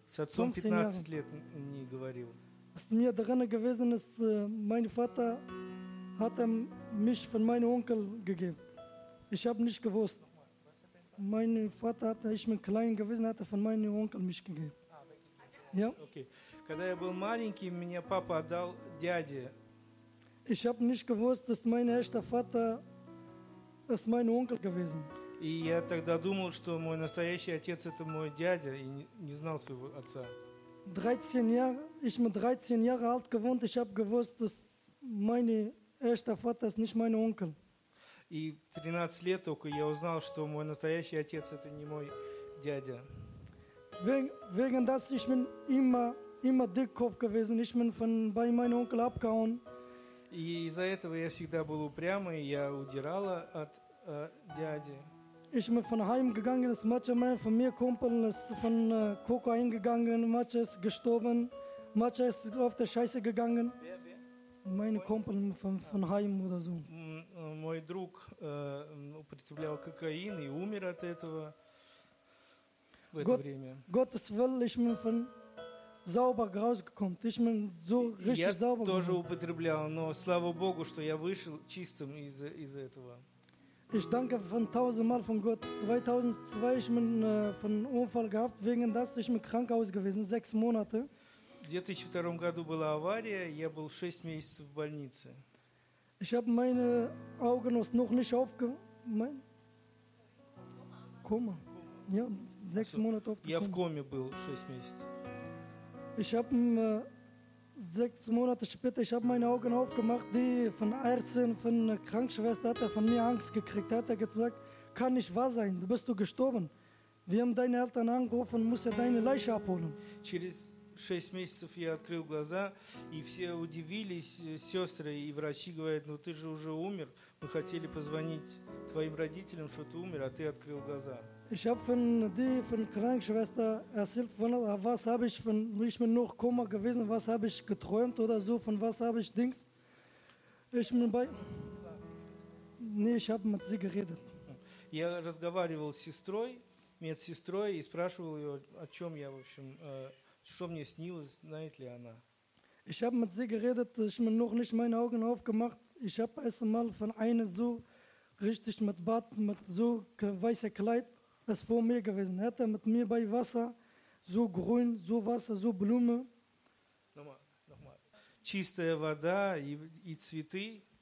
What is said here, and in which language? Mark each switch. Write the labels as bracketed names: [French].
[Russian] С отцом 15 лет не говорил. [German] Was mir daran gewesen ist, mein Vater hat mich von meinem Onkel gegeben. Ich habe nicht gewusst. Mein Vater hat, ich bin klein gewesen, hat von meinem Onkel mich gegeben. Ja? Okay. [Russian] Когда я был маленький, меня папа отдал дяде. [German] Ich habe nicht gewusst, dass mein echter Vater ist mein Onkel gewesen. [Russian] И я тогда думал, что мой настоящий отец это мой дядя и не знал своего отца. [German] 13 Jahre, ich bin 13 Jahre alt gewohnt, ich habe gewusst, dass mein echter Vater ist nicht mein Onkel. [Russian] И 13 лет только я узнал, что мой настоящий отец это не мой дядя. [German] Wegen das ich bin immer Dickkopf gewesen, ich bin von bei meinem Onkel abgehauen. [Russian] И из-за этого я всегда был упрямый, я удирал от дяди. [German] Ich bin von heim gegangen, das Matcha mein von mir Kumpel ist von Koko eingegangen, Matcha ist gestorben, Matcha ist auf der Scheiße gegangen. Wer? Meine Kumpel von heim oder so. [Russian] Мой друг употреблял кокаин и умер от этого в это время. [German] Gottes Will, ich bin von sauber rausgekommen. Ich bin so richtig [Russian] я [German] sauber. [Russian] Я тоже употреблял, но слава Богу, что я вышел чистым из этого. [German] Ich danke von tausendmal von Gott. 2002 ich bin von Unfall gehabt, wegen das ich bin krank ausgewiesen, 6 Monate. [Russian] В 2002 году была авария, я был 6 месяцев в больнице. [German] Ich habe meine Augen noch nicht aufgemacht. Koma. Ja, 6 Monate auf. [Russian] Я в коме был 6 месяцев. [German] Ich habe 6 Monate später, ich habe meine Augen aufgemacht, die von Ärzten, von Krankenschwester hat er von mir Angst gekriegt. Hat er gesagt, kann nicht wahr sein, du bist du gestorben. Wir haben deine Eltern angerufen und musst ja deine Leiche abholen. [Russian] Через 6 месяцев я открыл глаза, и все удивились, сестры и врачи говорят, ну ты же уже умер. Мы хотели позвонить твоим родителям, что ты умер, а ты открыл глаза. [German] Ich habe von die von Krankenschwester erzählt, von, was habe ich von, ich bin noch Koma gewesen, was habe ich geträumt oder so, von was habe ich Dings? Ich bin bei. Nee, ich habe mit sie geredet. [Russian] Я разговаривал с сестрой, медсестрой, и спрашивал ее, о чем я, в общем, что мне снилось, знает ли она? [German] Ich habe mit sie geredet, ich bin noch nicht meine Augen aufgemacht. Ich habe erst mal von einer so richtig mit Bart, mit so weißer Kleid. Das ist vor mir gewesen. Hat er mit mir bei Wasser, so grün, so Wasser, so Blume. Nochmal. [Russian] Чистая вода и цветы.